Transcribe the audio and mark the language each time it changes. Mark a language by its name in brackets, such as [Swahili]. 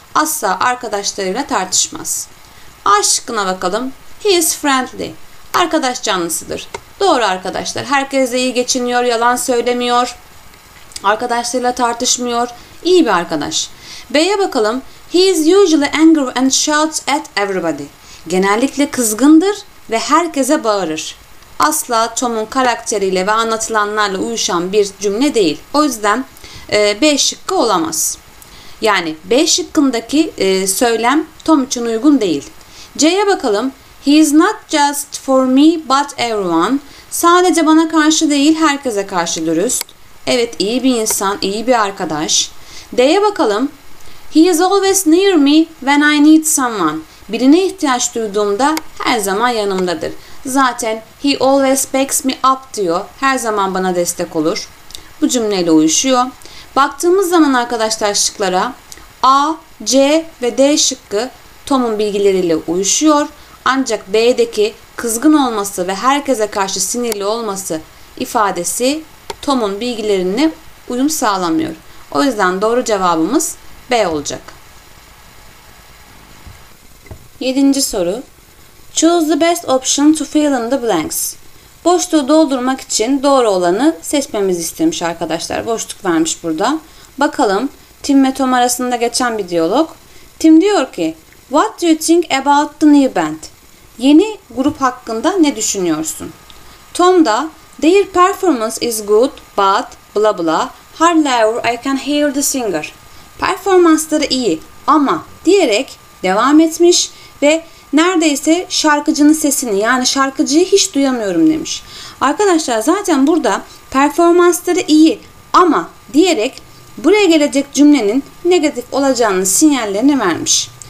[Turkish] Asla arkadaşlarıyla tartışmaz. A şıkkına bakalım. [English] He is friendly. [Turkish] Arkadaş canlısıdır. Doğru arkadaşlar. Herkesle iyi geçiniyor, yalan söylemiyor. Arkadaşlarıyla tartışmıyor. İyi bir arkadaş. B'ye bakalım. [English] He is usually angry and shouts at everybody. [Turkish] Genellikle kızgındır ve herkese bağırır. Asla Tom'un karakteriyle ve anlatılanlarla uyuşan bir cümle değil. O yüzden B şıkkı olamaz. Yani B şıkkındaki söylem Tom için uygun değil. C'ye bakalım. [English] He is not just for me but everyone. [Turkish] Sadece bana karşı değil, herkese karşı dürüst. Evet, iyi bir insan, iyi bir arkadaş. D'ye bakalım. [English] He is always near me when I need someone. [Turkish] Birine ihtiyaç duyduğumda her zaman yanımdadır. Zaten [English] he always backs me up [Turkish] diyor. Her zaman bana destek olur. Bu cümleyle uyuşuyor. Baktığımız zaman arkadaşlar şıklara A, C ve D şıkkı Tom'un bilgileriyle uyuşuyor. Ancak B'deki kızgın olması ve herkese karşı sinirli olması ifadesi Tom'un bilgilerine uyum sağlamıyor. O yüzden doğru cevabımız B olacak. 7. soru. [English] Choose the best option to fill in the blanks. [Turkish] Boşluğu doldurmak için doğru olanı seçmemizi istemiş arkadaşlar. Boşluk vermiş burada. Bakalım Tim ve Tom arasında geçen bir diyalog. Tim diyor ki, [English] What do you think about the new band? [Turkish] Yeni grup hakkında ne düşünüyorsun? [English] Tom da Their performance is good but blah blah. However, I can hear the singer. [Turkish] Performansları iyi ama diyerek devam etmiş ve neredeyse şarkıcının sesini, yani şarkıcıyı hiç duyamıyorum demiş. Arkadaşlar zaten burada performansları iyi ama diyerek buraya gelecek cümlenin negatif olacağının sinyallerini vermiş.